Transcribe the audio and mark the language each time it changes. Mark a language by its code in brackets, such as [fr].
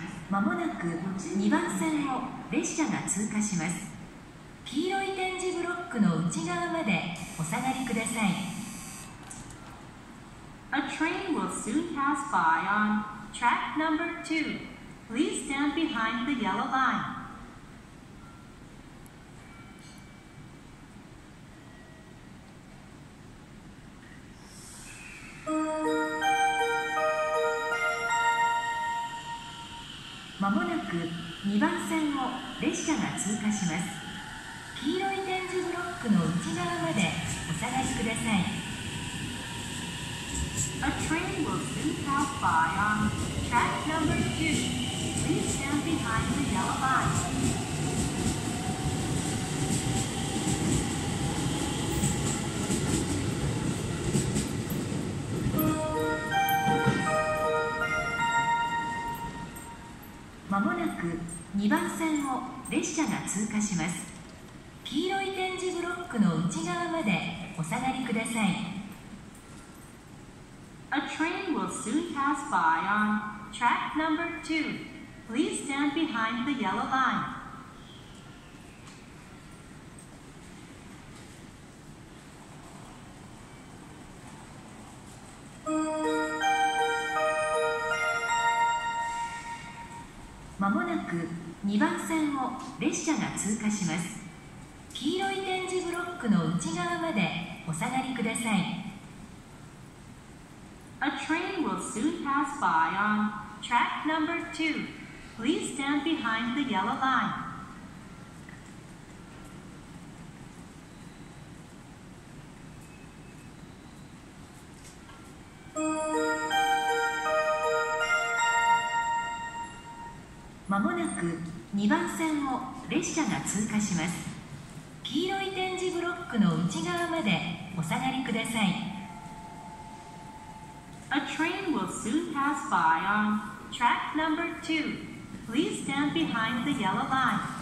[ja] まもなく2番線を列車が通過します。黄色い点字ブロックの内側までお下がりください。 [en] A train will soon pass by on track number 2. Please stand behind the yellow line. [ja] まもなく2番線を列車が通過します。黄色い点字ブロックの内側までお探しください。 [en] A train will soon pass by on track number 2. Please stand behind the yellow line. [ja] まもなく2番線を列車が通過します。黄色い点字ブロックの内側までお下がりください。 [en] A train will soon pass by on track number 2. Please stand behind the yellow line. [ja] まもなく2番線を列車が通過します。黄色い点字ブロックの内側までお下がりください。 [en] A train will soon pass by on track number 2. Please stand behind the yellow line. [ja] まもなく2番線を列車が通過します。黄色い点字ブロックの内側までお下がりください。 [en] A train will soon pass by on track number 2. Please stand behind the yellow line.